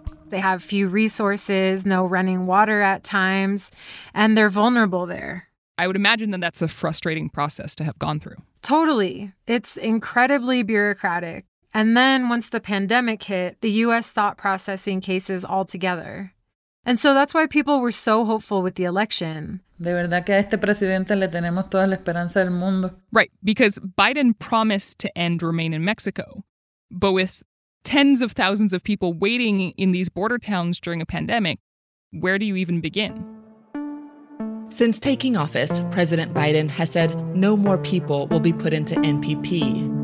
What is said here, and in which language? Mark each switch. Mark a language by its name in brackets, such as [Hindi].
[English] They have few resources, no running water at times, and they're vulnerable there. I would imagine that that's a frustrating process to have gone through. Totally. It's incredibly bureaucratic. And then once the pandemic hit, the U.S. stopped processing cases altogether. And so that's why people were so hopeful with the election. [Spanish] De verdad que a este presidente le tenemos toda la esperanza del mundo. [English] Right, because Biden promised to end Remain in Mexico, but with tens of thousands of people waiting in these border towns during a pandemic, where do you even begin? Since taking office, President Biden has said no more people will be put into NPP.